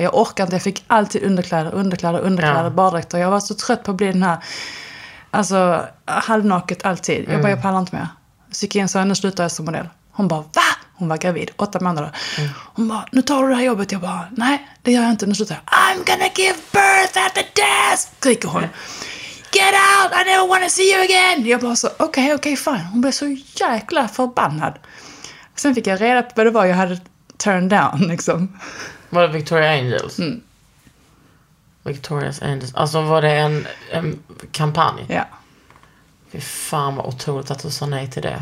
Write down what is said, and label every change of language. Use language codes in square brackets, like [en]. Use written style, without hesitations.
[sv] Jag orkar inte, jag fick alltid underkläder, ja. Baddräkter. Jag var så trött på att bli den här, alltså, halvnaket alltid. Jag bara, jag pallar inte mer. Så gick jag in, så nu slutar jag som modell. Hon bara, va? Hon var gravid, 8 månader. Mm. Hon bara, nu tar du det här jobbet. Jag bara, nej, det gör jag inte. Nu slutar jag. [en] I'm gonna give birth at the desk, [sv] skriker hon. [en] Get out, I never wanna see you again. [sv] Jag bara så, okej, fine. Hon blev så jäkla förbannad. Sen fick jag reda på vad det var jag hade [en] turned down, [sv] liksom. Var det Victoria Angels? Mm. Victoria's Angels. Alltså, var det en kampanj? Ja. Fy fan, vad otroligt att du sa nej till det.